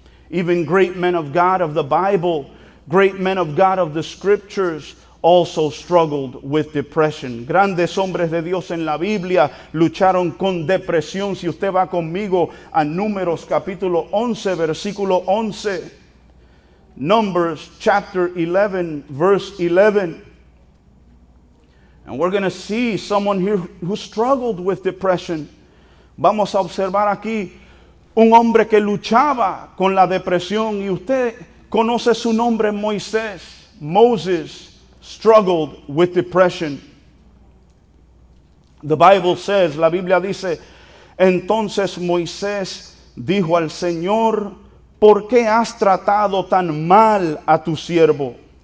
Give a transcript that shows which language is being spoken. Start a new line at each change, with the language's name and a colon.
English: Even great men of God of the Bible, great men of God of the Scriptures also struggled with depression.
Spanish: Grandes hombres de Dios en la Biblia lucharon con depresión. Si usted va conmigo a Números capítulo 11, versículo 11.
English: Numbers chapter 11, verse 11. And we're going to see someone here who struggled with depression.
Spanish: Vamos a observar aquí un hombre que luchaba con la depresión. Y usted conoce su nombre, Moisés.
English: Moses struggled with depression. The Bible says,
Spanish: la Biblia dice, entonces Moisés dijo al Señor, ¿por qué has tratado tan mal a tu siervo?